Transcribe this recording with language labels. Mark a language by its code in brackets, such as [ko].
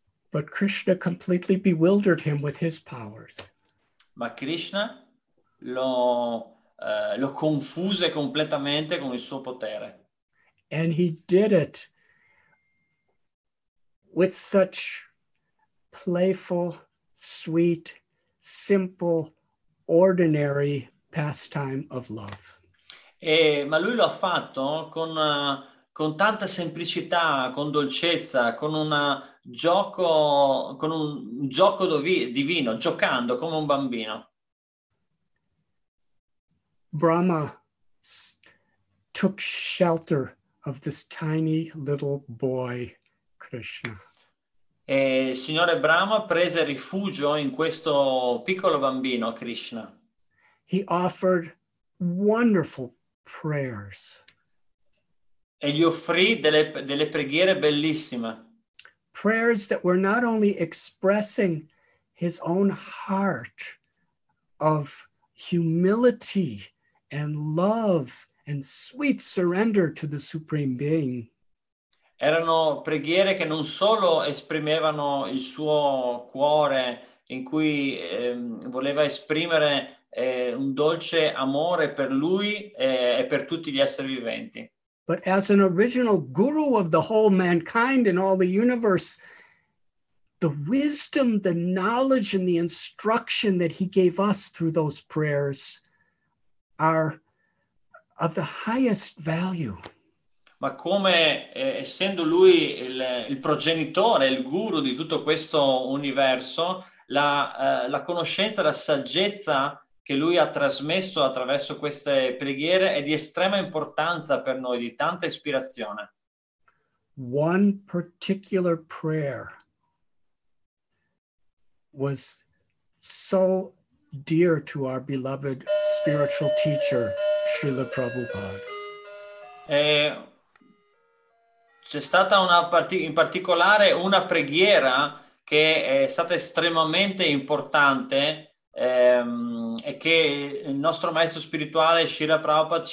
[en] But Krishna completely bewildered him with his powers. [it] Ma Krishna lo confuse completamente con il suo potere. [en] And he did it with such playful, sweet, simple, ordinary pastime of love. [it] Ma lui lo ha fatto con tanta semplicità, con dolcezza, con un gioco divino, giocando come un bambino. [en] Brahma took shelter of this tiny little boy, Krishna. [it] E il signore Brahma prese rifugio in questo piccolo bambino, Krishna. [en] He offered wonderful prayers. [it] E gli offrì delle preghiere bellissime. [en] Prayers that were not only expressing his own heart of humility and love and sweet surrender to the Supreme Being. [it] Erano preghiere che non solo esprimevano il suo cuore in cui voleva esprimere un dolce amore per lui e per tutti gli esseri viventi. [en] But as an original guru of the whole mankind and all the universe, the wisdom, the knowledge, and the instruction that he gave us through those prayers are of the highest value. [it] Ma come essendo lui il progenitore, il guru di tutto questo universo, la conoscenza, la saggezza che lui ha trasmesso attraverso queste preghiere è di estrema importanza per noi, di tanta ispirazione. [en] One particular prayer was so dear to our beloved spiritual teacher Srila Prabhupada. [it] C'è stata in particolare una preghiera che è stata estremamente importante e che il nostro maestro spirituale Srila Prabhupada ci ha